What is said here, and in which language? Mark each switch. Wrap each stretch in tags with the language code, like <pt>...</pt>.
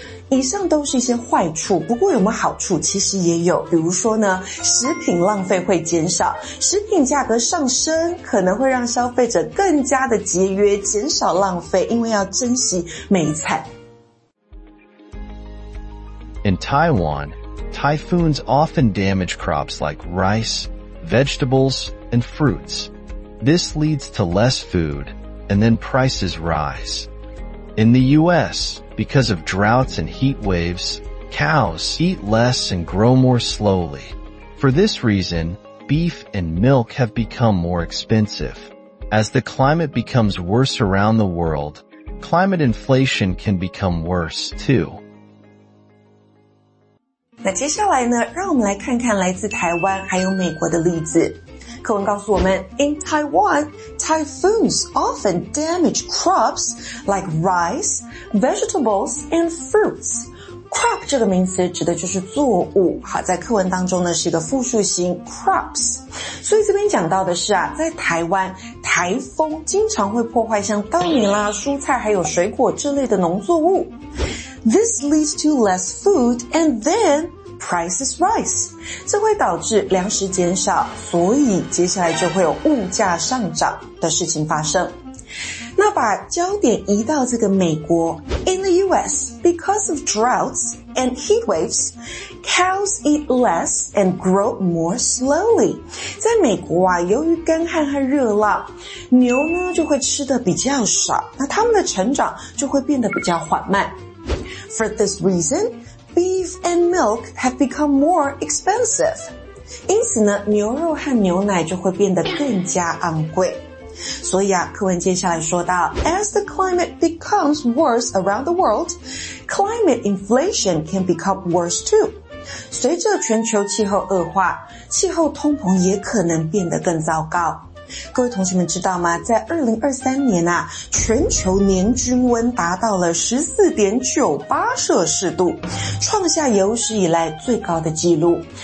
<zh>以上都是一些坏处，不过有没有好处？其实也有，比如说呢，食品浪费会减少，食品价格上升可能会让消费者更加的节约，减少浪费，因为要珍惜每一餐。</zh> <en>In Taiwan, typhoons often damage crops like rice, vegetables, and fruits. This leads to less food, and then prices rise. In the U.S., because of droughts and heat waves, cows eat less and grow more slowly. For this reason, beef and milk have become more expensive. As the climate becomes worse around the world, climate inflation can become worse too.</en> <zh>那接下来呢，让我们来看看来自台湾还有美国的例子。课文告诉我们</zh> <en>,In Taiwan, typhoons often damage crops like rice, vegetables, and fruits.</en> <zh>Crop 这个名词指的就是作物。好，在课文当中呢是一个复数型 crops。所以这边讲到的是啊，在台湾台风经常会破坏像稻米啦、蔬菜还有水果这类的农作物。</zh> <en>This leads to less food and then prices rise.</en> <zh>这会导致粮食减少，所以接下来就会有物价上涨的事情发生。那把焦点移到这个美国。</zh> <en>In the US, because of droughts and heat waves, cows eat less and grow more slowly.</en> <zh>在美国啊，由于干旱和热浪，牛呢就会吃得比较少，那它们的成长就会变得比较缓慢。</zh> <en>For this reason, beef and milk have become more expensive.</en> <zh>因此呢，牛肉和牛奶就会变得更加昂贵。所以啊，课文接下来说到</zh> <en>,As the climate becomes worse around the world, climate inflation can become worse too.</en> <zh>随着全球气候恶化，气候通膨也可能变得更糟糕。各位同学们知道吗，在2023年啊，全球年均温达到了 14.98 摄氏度，创下有史以来最高的记录。</zh>